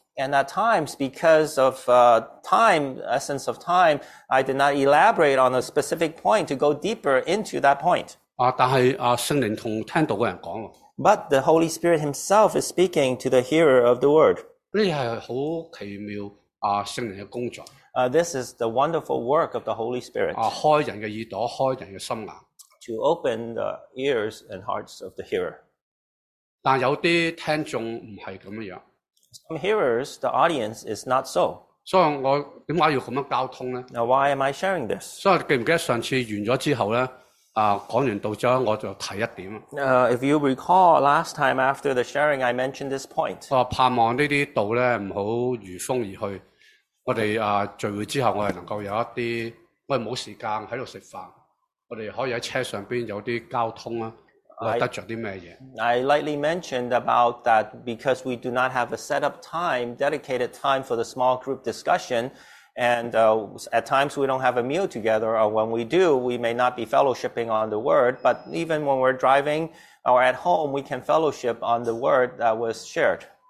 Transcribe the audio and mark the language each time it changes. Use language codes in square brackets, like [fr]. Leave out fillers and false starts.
[en] And at times, because of time, essence of time, I did not elaborate on a specific point to go deeper into that point. [yue] 但系圣灵同听到嘅人讲。 [en] But the Holy Spirit Himself is speaking to the hearer of the word. [yue] 呢系好奇妙圣灵嘅工作。 [en] This is the wonderful work of the Holy Spirit. [yue] 开人嘅耳朵，开人嘅心眼。 [en] To open the ears and hearts of the hearer. [yue] 但有啲听众唔系咁样样。 [en] Some hearers, the audience is not so. [yue] 所以我点解要咁样交通咧 [en] ？Now why am I sharing this？ [yue] 所以记唔记得上次完咗之后咧？讲完道之后，我就提一点。 [en] If you recall last time after the sharing, I mentioned this point. [yue] 我盼望呢啲道咧唔好如风而去。我哋聚会之后，我哋能够有一啲，我哋冇时间喺度食饭。我哋可以喺车上边有啲交通啦，会得着啲咩嘢 [en] ？I lightly mentioned about that because we do not have a set up time, dedicated time for the small group discussion, and at times we don't have a meal together. Or when we do, we may not be fellowshipping on the word. But even when we're driving or at home, we can fellowship on the word that was shared.